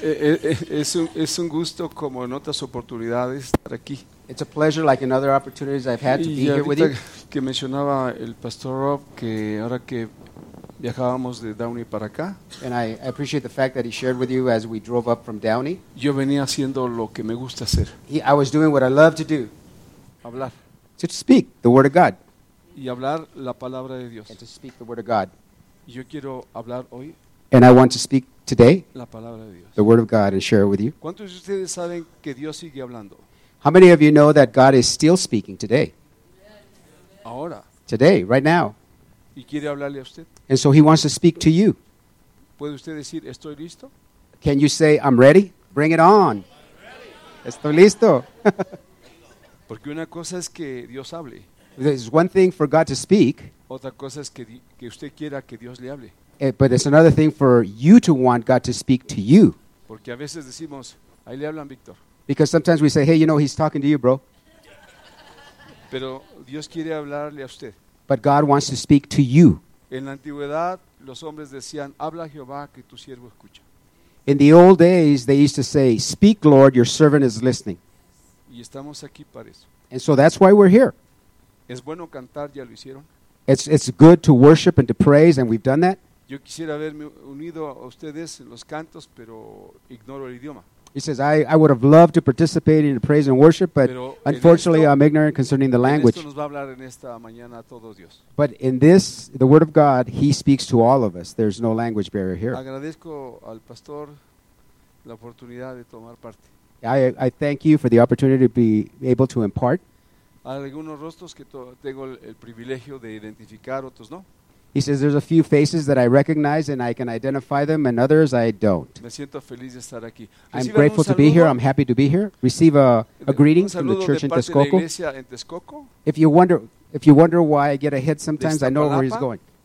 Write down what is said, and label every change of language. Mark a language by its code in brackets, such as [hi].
[es] Es un gusto como en otras oportunidades estar aquí. [en] It's a pleasure like in other opportunities I've had to be here with you. [es] Que mencionaba el pastor Rob que ahora que viajábamos de Downey para acá. [en] And I appreciate the fact that he shared with you as we drove up from Downey. [es] Yo venía haciendo lo que me gusta hacer. [en] I was doing what I love to do. [es] Hablar. [en] To speak the word of God. [es] Y hablar la palabra de Dios. [en] And to speak the word of God. [es] Yo quiero hablar hoy. [en] And I want to speak today, [es] la palabra de Dios. [en] The word of God, and share it with you. [es] ¿Cuántos de ustedes saben que Dios sigue hablando? [en] How many of you know that God is still speaking today? [es] Ahora. [en] Today, right now. [es] ¿Y quiere hablarle a usted? [en] And so he wants to speak to you. [es] ¿Puede usted decir, estoy listo? [en] Can you say, I'm ready? Bring it on. [es] Estoy listo. Porque una cosa es que Dios hable. [en] There's one thing for God to speak. [es] Otra cosa es que usted quiera que Dios le hable. [en] But it's another thing for you to want God to speak to you. [es] Porque a veces decimos, ahí le hablan, Víctor. [en] Because sometimes we say, hey, you know, he's talking to you, bro. [es] Pero Dios quiere hablarle a usted. [en] But God wants to speak to you. [es] En la antigüedad, los hombres decían, habla Jehová, que tu siervo escucha. [en] In the old days, they used to say, speak, Lord, your servant is listening. [es] Y estamos aquí para eso. [en] And so that's why we're here. [es] Es bueno cantar, ya lo hicieron. [en] It's good to worship and to praise, and we've done that. [es] Yo quisiera haberme unido a ustedes en los cantos, pero ignoro el idioma. [en] He says, I would have loved to participate in the praise and worship, but unfortunately [es] esto, [en] I'm ignorant concerning the language. [es] Esto nos va a hablar en esta mañana a todos Dios. [en] But in this, the word of God, he speaks to all of us. There's no language barrier here. [es] Agradezco al pastor la oportunidad de tomar parte. [en] I thank you for the opportunity to be able to impart. [es] Hay algunos rostros que tengo el privilegio de identificar, otros no. [en] He says, there's a few faces that I recognize and I can identify them, and others I don't. [es] Me siento feliz de estar aquí. [en] I'm grateful to be here. I'm happy to be here. Receive a greeting from the church [es] de parte [en] in Texcoco. [es] De la iglesia en Texcoco. [en] If you wonder why I get a hit sometimes, I know where he's going.